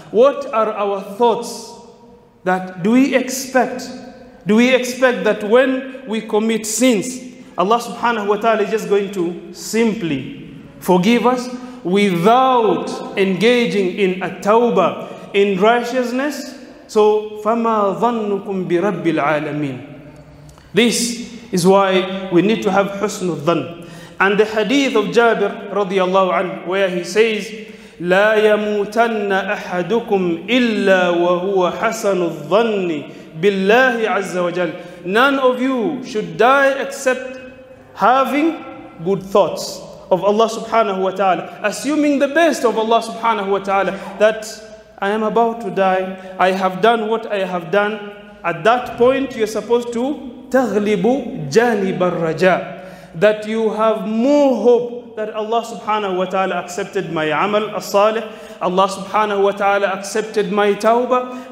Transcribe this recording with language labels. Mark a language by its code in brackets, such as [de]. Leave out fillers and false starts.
[en] What are our thoughts? That do we expect that when we commit sins, Allah subhanahu wa ta'ala is just going to simply forgive us without engaging in a tawbah, in righteousness? So, [ar] فَمَا ظَنُّكُمْ بِرَبِّ الْعَالَمِينَ. [en] This is why we need to have husnul dhan. And the hadith of Jabir radiallahu anhu, where he says, [ar] لا يموتن أحدكم إلا وهو حسن الظن بالله عز وجل. [en] None of you should die except having good thoughts of Allah subhanahu wa ta'ala, assuming the best of Allah subhanahu wa ta'ala, that I am about to die, I have done what I have done. At that point, you're supposed to [ar] تغلبوا جانب الرجاء, [en] that you have more hope that Allah subhanahu wa ta'ala accepted my amal as-salih, Allah subhanahu wa ta'ala accepted my tawbah.